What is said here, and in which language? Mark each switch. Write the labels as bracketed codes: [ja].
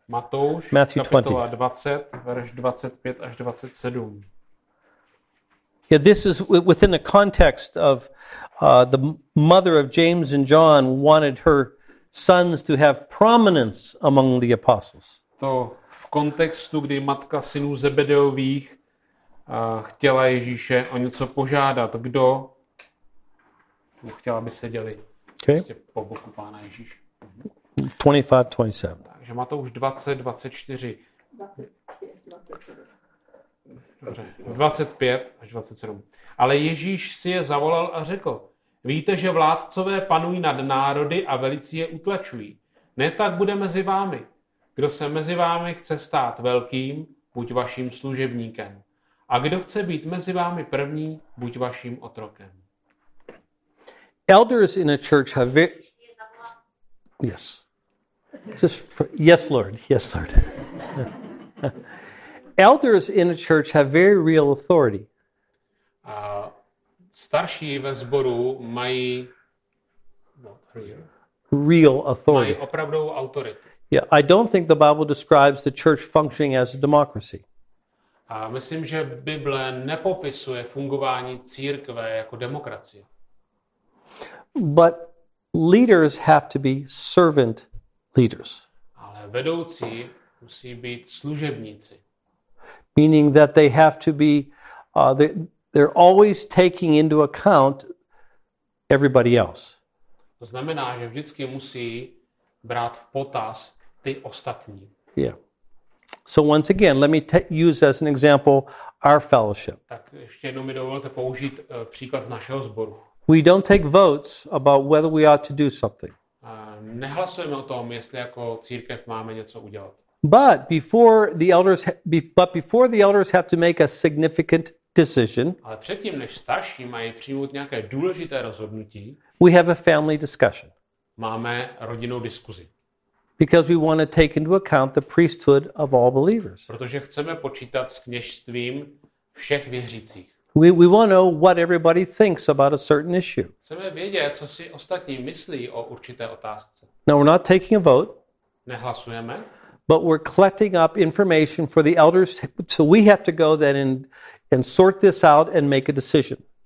[cs] Matouš, Matthew 20. Kapitola 20, verš 25 až 27. [en] Yeah, this is within the context of the mother of James and John wanted her sons to have prominence among the apostles. [cs] To v kontextu, kdy matka synů Zebedeových chtěla Ježíše o něco požádat, kdo chtěla, aby seděli po boku Pána Ježíše. 25-27. Takže Matouš 20-24. 25-27. Ale Ježíš si je zavolal a řekl, víte, že vládcové panují nad národy a velici je utlačují. Ne tak bude mezi vámi. Kdo se mezi vámi chce stát velkým, buď vaším služebníkem. A kdo chce být mezi vámi první, buď vaším otrokem. [en] Elders in a church have... Yes. Just for, yes, Lord. Yes, Lord. Elders in a church have very real authority. [cs] Starší ve sboru mají [en] real authority. [cs] Mají opravdovou autoritu. [en] Yeah, I don't think the Bible describes the church functioning as a democracy. [cs] A myslím, že Bible nepopisuje fungování církve jako demokracie. [en] But leaders have to be servant leaders. [cs] Ale vedoucí musí být služebníci. [en] Meaning that they have to be they're always taking into account everybody else. [cs] To znamená, že vždycky musí brát v potaz ty ostatní. [en] Yeah. So once again, let me use as an example our fellowship. [cs] Tak ještě jednou mi dovolte použít příklad z našeho sboru. [en] We don't take votes about whether we ought to do something. [cs] Nehlasujeme o tom, jestli jako církev máme něco udělat. [en] But before the elders have to make a significant decision. [cs] Ale předtím, než starší mají přijmout nějaké důležité rozhodnutí. [en] We have a family discussion. [cs] Máme rodinnou diskuzi. [en] Because we want to take into account the priesthood of all believers. [cs] Protože chceme počítat s kněžstvím všech věřících. [en] We want to know what everybody thinks about a certain issue. [cs] Chceme vědět, co si ostatní myslí o určité otázce. [en] Now we're not taking a vote. [cs] Nehlasujeme. [en] But we're collecting up information for the elders, so we have to go then and sort this out and make a decision.